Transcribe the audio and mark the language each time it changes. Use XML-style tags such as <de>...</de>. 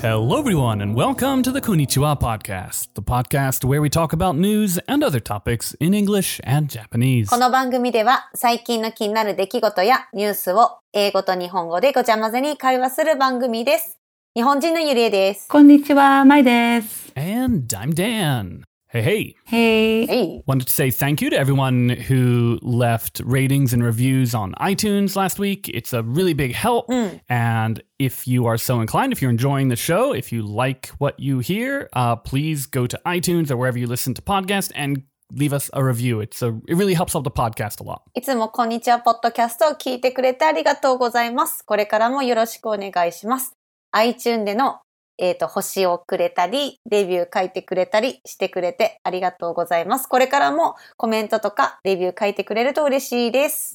<en>Hello everyone and welcome to the Konnichiwa Podcast, the podcast where we talk about news and other topics in English and Japanese.</en> <ja>この番組では最近の気になる出来事やニュースを英語と日本語でごちゃ混ぜに会話する番組です。日本人のゆりえです。こんにちは、まいです。</ja> <en>And I'm Dan. Hey. Wanted to say thank you to everyone who left ratings and reviews on iTunes last week. It's a really big help. Mm. And if you are so inclined, if you're enjoying the show, if you like what you hear, please go to iTunes or wherever you listen to podcasts and leave us a review. It really helps out the podcast a lot.</en> <ja>いつもこんにちはポッドキャストを聞いてくれてありがとうございます。これからもよろしくお願いします。iTunes での星をくれたり、レビュー書いてくれたりしてくれてありがとうございます。これからもコメントとかレビュー書いてくれると嬉しいです。</ja>